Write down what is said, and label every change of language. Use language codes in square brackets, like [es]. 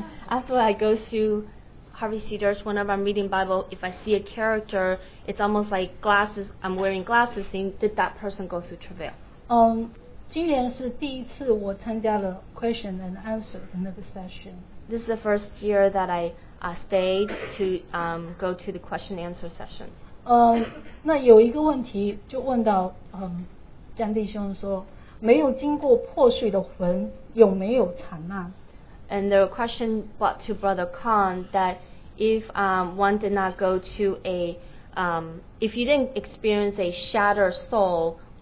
[en] After I go through Harvey Cedar's, whenever I'm reading Bible, if I see a character, it's almost like glasses. I'm wearing glasses, saying, did that person go through travel? [zh] 今年是第一次我参加了 [en] question and answer [zh] 的那个 [en] session. This is the first year that I stayed to go to the question and answer session. [zh] 那有一个问题就问到姜弟兄说，没有经过破碎的魂，有没有惨难？ [en] And the question brought to Brother Khan that if one did not go to a if you didn't experience a shattered soul.